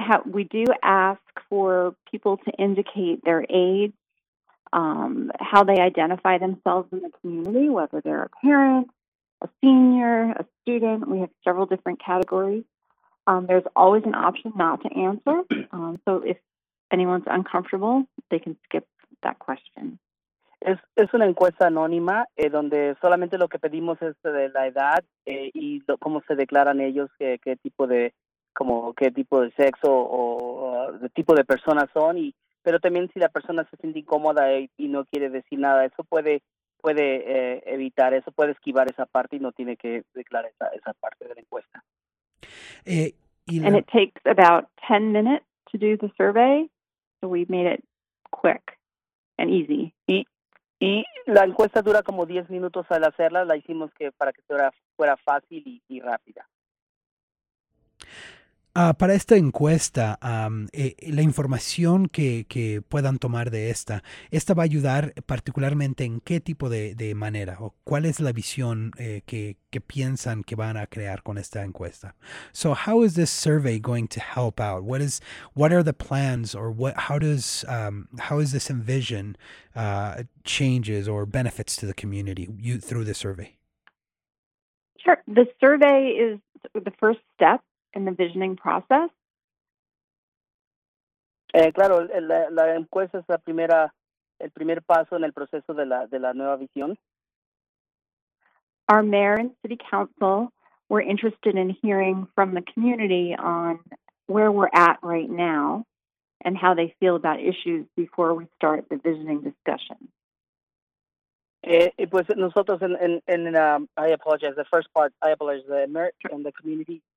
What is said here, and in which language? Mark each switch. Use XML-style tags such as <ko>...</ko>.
<en>We do ask for people to indicate their age, how they identify themselves in the community, whether they're a parent, a senior, a student. We have several different categories. There's always an option not to answer. So if anyone's uncomfortable, they can skip that question.</en> <es>Es una encuesta anónima donde solamente lo que pedimos es de la edad y cómo se declaran ellos, qué tipo de... como qué tipo de sexo o de tipo de personas son, y pero también si la persona se siente incómoda y no quiere decir nada, eso puede evitar, eso puede esquivar esa parte y no tiene que declarar esa parte de la encuesta.</es> <en>And it takes about 10 minutes to do the survey, so we made it quick and easy.</en> <es>Y la encuesta dura como 10 minutos al hacerla, la hicimos que para que fuera fácil y rápida. Para esta encuesta, la información que puedan tomar de esta va a ayudar particularmente en qué tipo de manera o cuál es la visión que piensan que van a crear con esta encuesta.</es> <en>So how is this survey going to help out? How is this envision changes or benefits to the community through the survey? Sure. The survey is the first step in the visioning process.</en> <es>Claro, la encuesta es el primer paso en el proceso de la nueva visión.</es> <en>Our mayor and city council were interested in hearing from the community on where we're at right now and how they feel about issues before we start the visioning discussion.</en> <es>Pues nosotros</es> <en>I apologize, the first part, I apologize, the mayor and the community.</en>